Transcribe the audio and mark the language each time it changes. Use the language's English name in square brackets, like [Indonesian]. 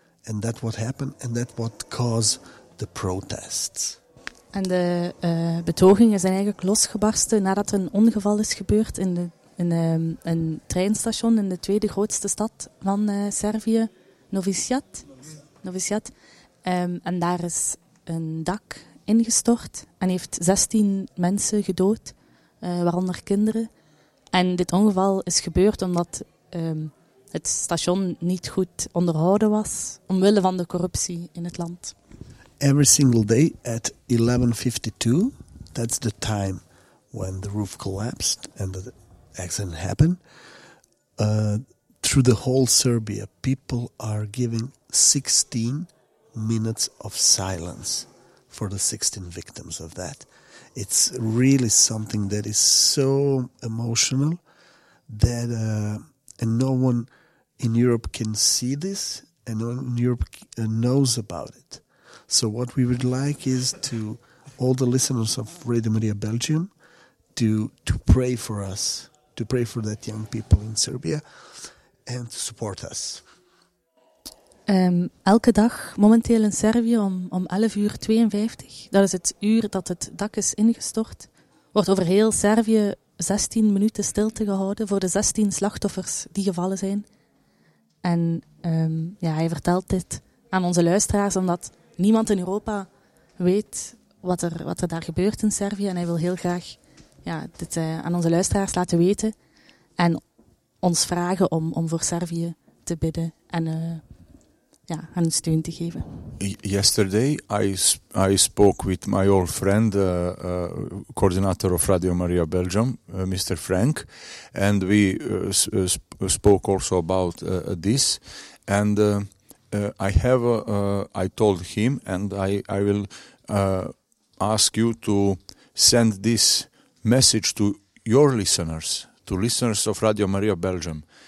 [English] And that's what happened, and that's what caused the protests. [Dutch] En de betogingen zijn eigenlijk losgebarsten nadat er een ongeval is gebeurd in een treinstation in de tweede grootste stad van Servië, Novi Sad. En daar is een dak ingestort en heeft 16 mensen gedood, waaronder kinderen. En dit ongeval is gebeurd omdat het station niet goed onderhouden was, omwille van de corruptie in het land. [English] Every single day at 11:52, that's the time when the roof collapsed and the accident happened, through the whole Serbia, people are giving 16 minutes of silence for the 16 victims of that. It's really something that is so emotional that and no one in Europe can see this and no one in Europe knows about it. So what we would like is to all the listeners of Radio Maria Belgium to pray for us, to pray for that young people in Serbia and to support us. [Dutch] Elke dag momenteel in Servië om 11:52, dat is het uur dat het dak is ingestort, wordt over heel Servië 16 minuten stilte gehouden voor de 16 slachtoffers die gevallen zijn. En hij vertelt dit aan onze luisteraars omdat niemand in Europa weet wat er daar gebeurt in Servië en hij wil heel graag dit aan onze luisteraars laten weten en ons vragen om voor Servië te bidden en hen steun te geven. [English] Yesterday I spoke with my old friend, coordinator of Radio Maria Belgium, Mr. Frank, and we spoke also about this and I told him, and I will ask you to send this message to your listeners, to listeners of Radio Maria Belgium.